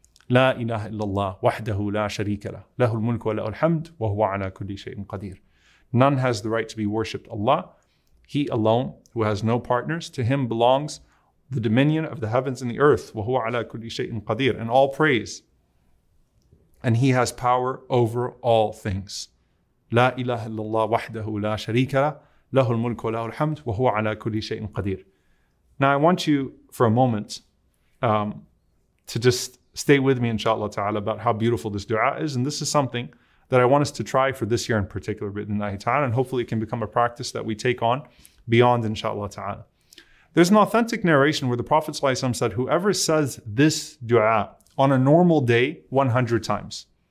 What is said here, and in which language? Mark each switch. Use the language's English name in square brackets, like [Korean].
[Arabic] لا إله إلا الله وحده لا شريك له له الملك وله الحمد وهو على كل شيء قدير. [English] None has the right to be worshipped Allah. He alone, who has no partners, to him belongs the dominion of the heavens and the earth. [Arabic] وهو على كل شيء قدير. [English] And all praise. And he has power over all things. [Arabic] لا إله إلا الله وحده لا شريك له له الملك وله الحمد وهو على كل شيء قدير. [English] Now I want you for a moment to just stay with me, inshallah ta'ala, about how beautiful this dua is. And this is something that I want us to try for this year in particular, bi'idhnillahi ta'ala, and hopefully it can become a practice that we take on beyond, inshallah ta'ala. There's an authentic narration where the Prophet ﷺ said, whoever says this dua on a normal day, 100 times.